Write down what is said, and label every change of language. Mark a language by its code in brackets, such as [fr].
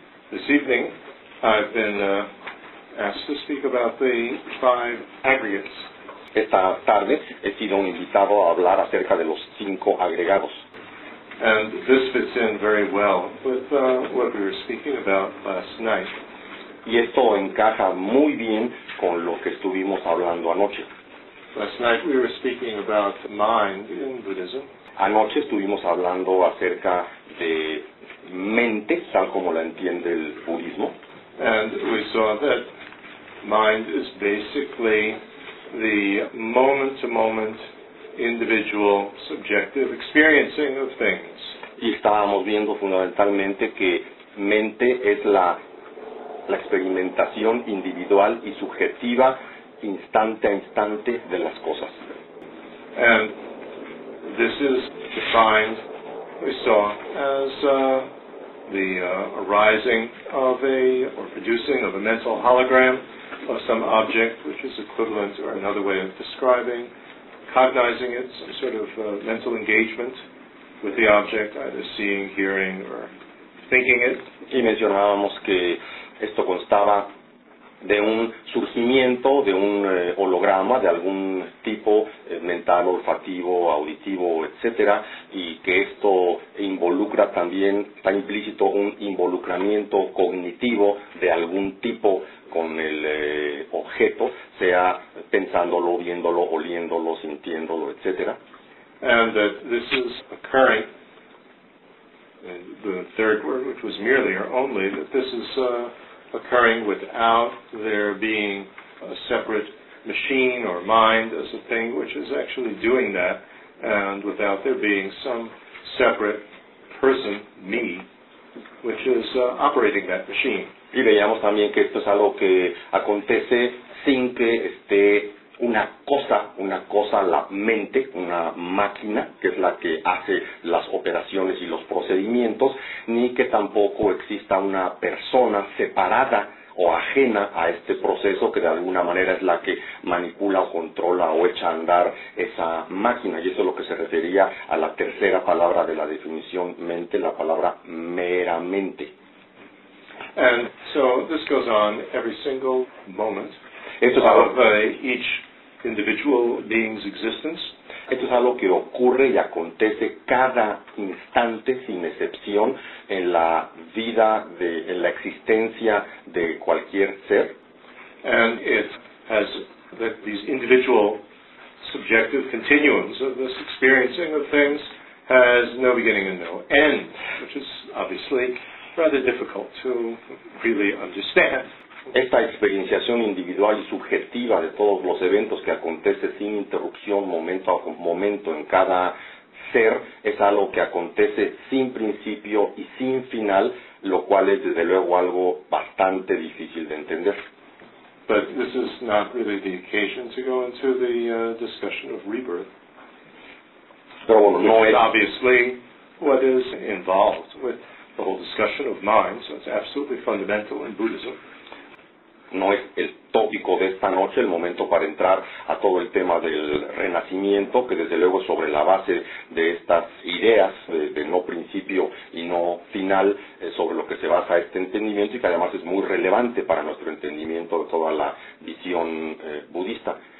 [en] This evening, I've been asked to speak about the five aggregates. [es] Esta tarde he sido invitado a hablar acerca de los cinco agregados. [en] And this fits in very well with what we were speaking about last night. [es] Y esto encaja muy bien con lo que estuvimos hablando anoche. [en] Last night we were speaking about mind in Buddhism. [es] Anoche estuvimos hablando acerca de mente, tal como la entiende el budismo. [en] And we saw that mind is basically the moment-to-moment individual subjective experiencing of things. [es] Y estábamos viendo fundamentalmente que mente es la experimentación individual y subjetiva instante a instante de las cosas. [en] And this is defined, we saw, as arising of a, or producing of a mental hologram of some object, which is equivalent or another way of describing, cognizing it, some sort of mental engagement with the object, either seeing, hearing, or thinking it. [es] Y mencionábamos que esto constaba de un surgimiento de un holograma de algún tipo mental, olfativo, auditivo, etcétera, y que esto involucra también, está implícito un involucramiento cognitivo de algún tipo con el objeto, sea pensándolo, viéndolo, oliéndolo, sintiéndolo, etcétera. [en] And that this is occurring, the third word, which was merely or only, that this is occurring without there being a separate machine or mind as a thing which is actually doing that, and without there being some separate person, me, which is operating that machine. [es] Y veíamos también que esto es algo que acontece sin que esté una cosa, la mente, una máquina, que es la que hace las operaciones y los procedimientos, ni que tampoco exista una persona separada o ajena a este proceso que de alguna manera es la que manipula o controla o echa a andar esa máquina. Y eso es lo que se refería a la tercera palabra de la definición mente, la palabra meramente. [en] And so this goes on every single moment. [es] Esto es algo [en] of each individual being's existence. [es] Esto es algo que ocurre y acontece cada instante, sin excepción, en la vida, en la existencia de cualquier ser. [en] And it has that these individual subjective continuums of this experiencing of things has no beginning and no end, which is obviously rather difficult to really understand. [es] Esta experienciación individual y subjetiva de todos los eventos que acontece sin interrupción momento a momento en cada ser es algo que acontece sin principio y sin final, lo cual es desde luego algo bastante difícil de entender. [en] But this is not really the occasion to go into the discussion of rebirth. [es] Pero bueno, no es [en] obviously what is involved with the whole discussion of mind, so it's absolutely fundamental in Buddhism. [es] No es el tópico de esta noche, el momento para entrar a todo el tema del renacimiento, que desde luego sobre la base de estas ideas de no principio y no final, sobre lo que se basa este entendimiento y que además es muy relevante para nuestro entendimiento de toda la visión budista.